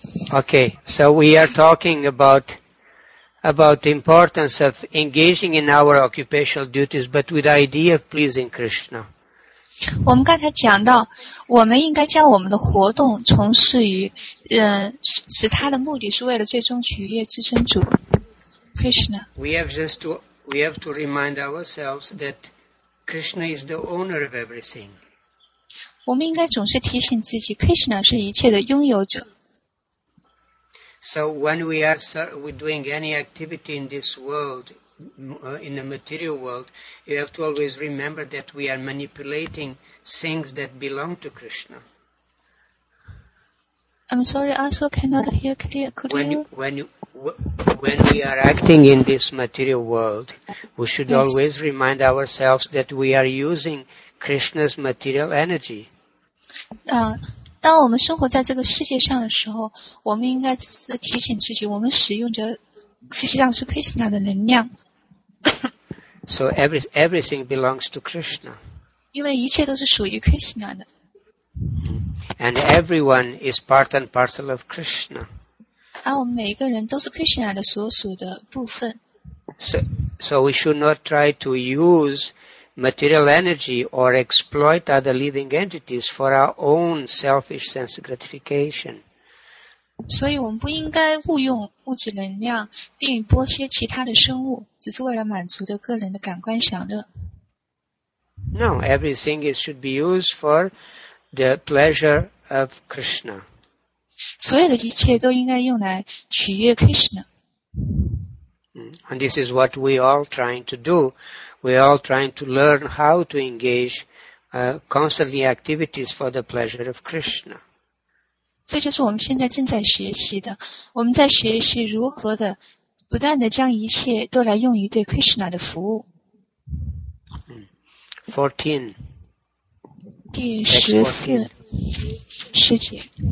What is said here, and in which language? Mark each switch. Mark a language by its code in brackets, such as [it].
[en] Okay, so we are talking about the importance of engaging in our occupational duties, but with the idea of pleasing Krishna. [zh] 我们刚才讲到，我们应该将我们的活动从事于，使他的目的是为了最终取悦至尊主 Krishna. [en] We have to remind ourselves that Krishna is the owner of everything. [zh] 我们应该总是提醒自己 ，Krishna 是一切的拥有者。 [en] So when we are doing any activity in this world, in the material world, you have to always remember that we are manipulating things that belong to Krishna. I'm sorry, I also cannot hear clearly. When we are acting in this material world, we should always remind ourselves that we are using Krishna's material energy. [zh] 当我们生活在这个世界上的时候，我们应该提醒自己，我们使用着实际上是 Krishna 的能量。 [en] So everything belongs to Krishna. [zh] 因为一切都是属于 Krishna 的。 [en] And everyone is part and parcel of Krishna. [zh] 而我们每一个人都是 Krishna 的所属的部分。 [en] So we should not try to use. Material energy or exploit other living entities for our own selfish sense gratification. [zh] 所以我们不应该误用物质能量并剥削其他的生物，只是为了满足的个人的感官享乐。 [en] No, everything should be used for the pleasure of Krishna. [zh] 所有的一切都应该用来取悦 Krishna. [en] And this is what we all trying to do. We are all trying to learn how to engage constantly activities for the pleasure of Krishna. [zh] 这就是我们现在正在学习的。我们在学习如何的不断的将一切都来用于对 Krishna 的服务。 [en] 14. [zh] 第14节。